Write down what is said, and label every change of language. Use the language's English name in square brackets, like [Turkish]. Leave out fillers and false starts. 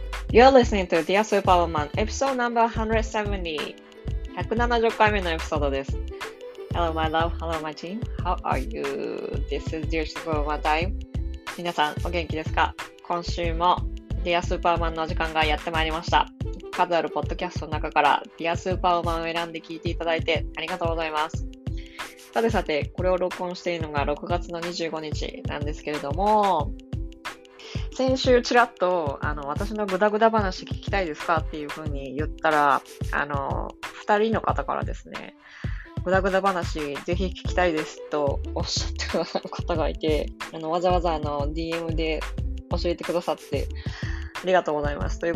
[English] You're listening to Dear Superwoman, episode number 170. [Japanese] 170回目のエピソードです。 [English] Hello, my love. Hello, my team. How are you? This is Dear Superwoman time. [Japanese] 皆さん、お元気ですか？今週も Dear Superwoman の時間がやってまいりました。数あるポッドキャストの中から Dear Superwoman を選んで聞いていただいてありがとうございます。さてさて、これを録音しているのが6月の25日なんですけれども、先週ちらっと私のグダグダ話聞きたいですかっていう風に言ったら2人の方からですね、グダグダ話ぜひ聞きたいですとおっしゃってくださる方がいて、わざわざDM で教えてくださってありがとうございます。